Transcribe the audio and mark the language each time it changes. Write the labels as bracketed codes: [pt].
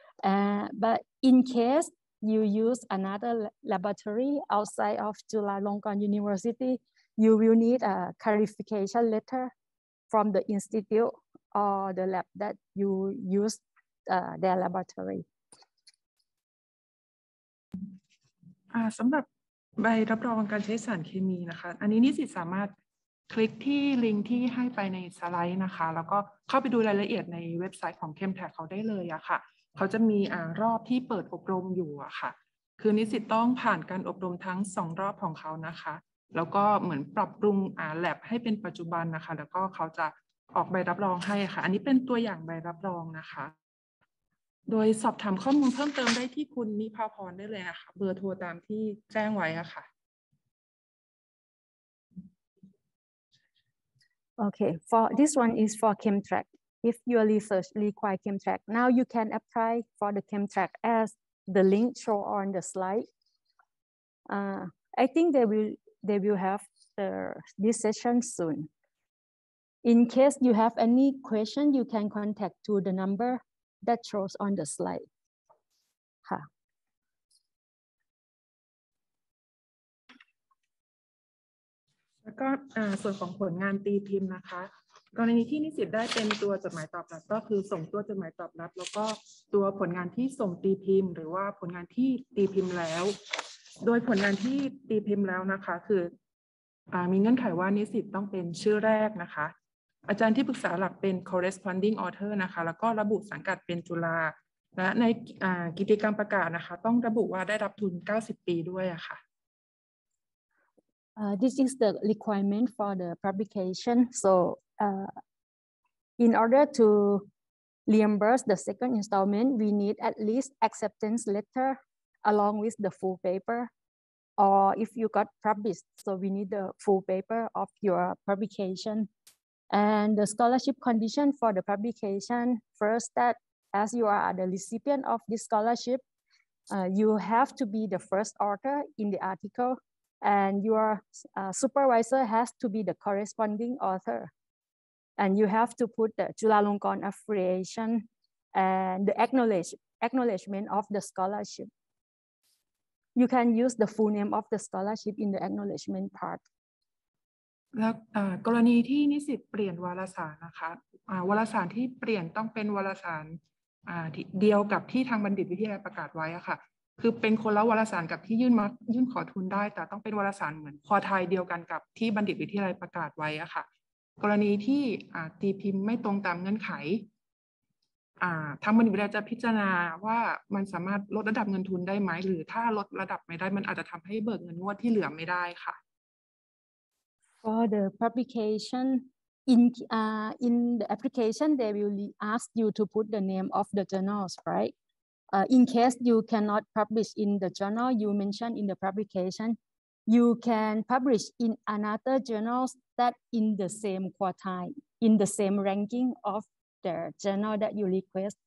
[en] But in caseyou use another laboratory outside of Chulalongkorn University, you will need a clarification letter from the institute or the lab that you use their laboratory. [th] สำหรับใบรับรองการใช้สารเคมีนะคะอันนี้นิสิตสามารถคลิกที่ลิงก์ที่ให้ไปในสไลด์นะคะแล้วก็เข้าไปดูรายละเอียดในเว็บไซต์ของ Chemtech เขาได้เลยอะค่ะเขาจะมีรอบที่เปิดอบรมอยู่อะค่ะ คือนิสิตต้องผ่านการอบรมทั้ง2รอบของเขานะคะแล้วก็เหมือนปรับปรุงแลบให้เป็นปัจจุบันนะคะแล้วก็เขาจะออกใบรับรองให้ค่ะอันนี้เป็นตัวอย่างใบรับรองนะคะโดยสอบถามข้อมูลเพิ่มเติมได้ที่คุณนิภาพรได้เลยนะคะเบอร์โทรตามที่แจ้งไว้อะค่ะ [en] โอเค for this one is for Chemtech if your research require Chemtech now you can apply for the Chemtech as the link show on the slide I think they will have this session soon in case you have any question you can contact to the numberThat shows on the slide. [th] ค่ะ แล้วก็ส่วนของผลงานตีพิมพ์นะคะกรณีที่นิสิตได้เป็นตัวจดหมายตอบรับก็คือส่งตัวจดหมายตอบรับแล้วก็ตัวผลงานที่ส่งตีพิมพ์หรือว่าผลงานที่ตีพิมพ์แล้วโดยผลงานที่ตีพิมพ์แล้วนะคะคือมีเงื่อนไขว่านิสิตต้องเป็นชื่อแรกนะคะอาจารย์ที่ปรึกษาหลักเป็น corresponding author นะคะแล้วก็ระบุสังกัดเป็นจุฬาและในกิจกรรมประกาศนะคะต้องระบุว่าได้รับทุน90ปีด้วยอะค่ะ [en] This is the requirement for the publication so in order to reimburse the second installment we need at least acceptance letter along with the full paper or if you got published so we need the full paper of your publicationAnd the scholarship condition for the publication, first that as you are the recipient of this scholarship, you have to be the first author in the article and your supervisor has to be the corresponding author. And you have to put the Chulalongkorn affiliation and the acknowledgement of the scholarship. You can use the full name of the scholarship in the acknowledgement part. [th] แล้วกรณีที่นิสิตเปลี่ยนวารสารนะคะวารสารที่เปลี่ยนต้องเป็นวารสารเดียวกับที่ทางบัณฑิตวิทยาประกาศไว้อะค่ะคือเป็นคนละวารสารกับที่ยื่นขอทุนได้แต่ต้องเป็นวารสารเหมือนคอไทยเดียวกันกับที่บัณฑิตวิทยาประกาศไว้อะค่ะกรณีที่ตีพิมพ์ไม่ตรงตามเงื่อนไขทางบัณฑิตวิทยาจะพิจารณาว่ามันสามารถลดระดับเงินทุนได้ไหมหรือถ้าลดระดับไม่ได้มันอาจจะทำให้เบิกเงินงวดที่เหลือไม่ได้ค่ะ [en] For the publication, in the application, they will ask you to put the name of the journals, right? In case you cannot publish in the journal you mentioned in the publication, you can publish in another journals that in the same quartile, in the same ranking of the journal that you request.